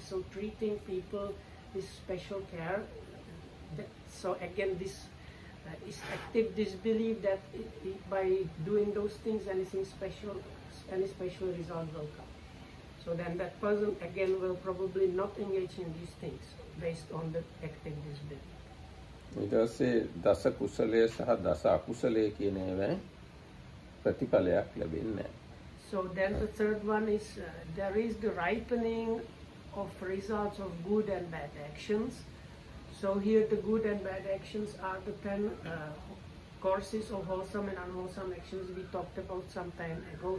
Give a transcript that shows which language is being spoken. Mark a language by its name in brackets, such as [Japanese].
[English] So treating people with special care, so again this is active disbelief that it, by doing those things any special result will come. So then that person again will probably not engage in these things based on the active disbelief. [Sinhala] ඊටසේ දස කුසලය සහ දස අකුසලය කියන ඒවා ප්‍රතිඵලයක් ලැබෙන්නේ නැහැ. [English] So then the third one is there is the ripening of results of good and bad actions. So here the good and bad actions are the 10 courses of wholesome and unwholesome actions we talked about some time ago.